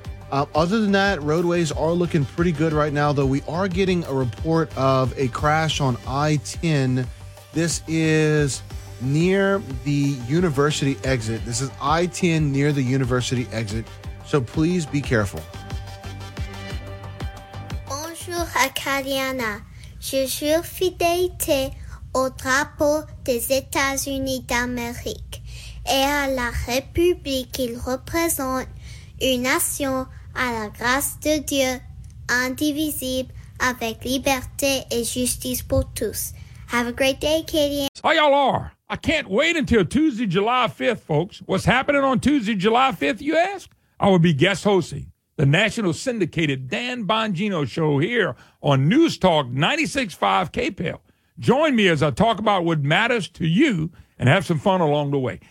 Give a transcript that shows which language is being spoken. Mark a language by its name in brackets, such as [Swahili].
[English] Other than that, roadways are looking pretty good right now, though we are getting a report of a crash on I-10. This is near the university exit. This is I-10 near the university exit, so please be careful. [French] Bonjour, Acadiana. Je suis fidèle au drapeau des États-Unis d'Amérique et à la République qu'il représente, une nation à la grâce de Dieu, indivisible, avec liberté et justice pour tous. [English] Have a great day, Katie. Oh, y'all are. I can't wait until Tuesday, July 5th, folks. What's happening on Tuesday, July 5th, you ask? I will be guest hosting the national syndicated Dan Bongino show here on News Talk 96.5 KPL. Join me as I talk about what matters to you and have some fun along the way.